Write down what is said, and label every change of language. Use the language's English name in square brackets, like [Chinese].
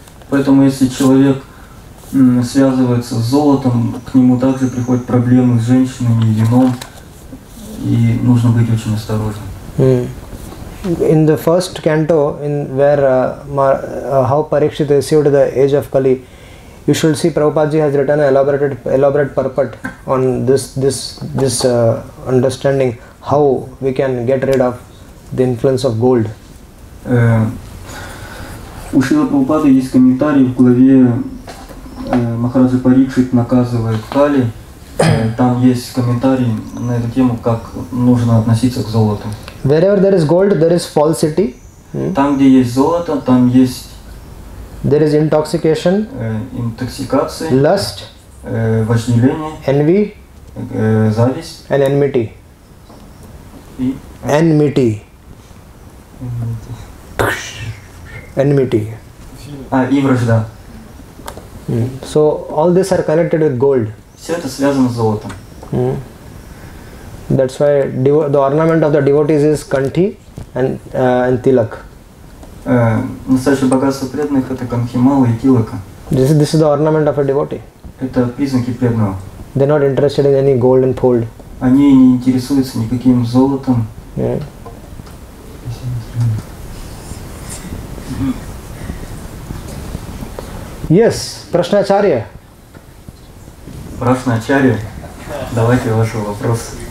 [Russian] Поэтому если человек связывается с золотом, к нему также приходят проблемы с женщинами и вином, и нужно быть очень осторожным. [English] In the first canto, in where how Parikshit received the age of Kali, you should see Prabhupada has written an elaborate purport on this understanding how we can get rid of the influence of gold. [Russian] У Шрилы Прабхупады есть комментарий в главе Махараджа Парикшит наказывает Кали. Там есть комментарий на эту тему, как нужно относиться к золоту. [English] Wherever there is gold, there is falsity. [Russian] Там, где есть золото, там есть... [English] There is intoxication. [Russian] Интоксикация. [English] Lust. [Russian] Вожделение. [English] Envy. [Russian] Зависть. [English] And enmity. Enmity. Enmity. [Russian] И вражда. [English] So, all these are connected with gold. [Russian] Все это связано с золотом. [English] That's why the ornament of the devotees is kanthi and tilak. [Russian] Настоящее богатство преданных – это канхимала и тилака. [English] This is the ornament of a devotee. [Russian] Это признаки преданного. [English] They're not interested in any gold and fold. [Russian] Они не интересуются никаким золотом. [English] Yes, Прашначарья. [Russian] Прашначарья, давайте ваш вопрос.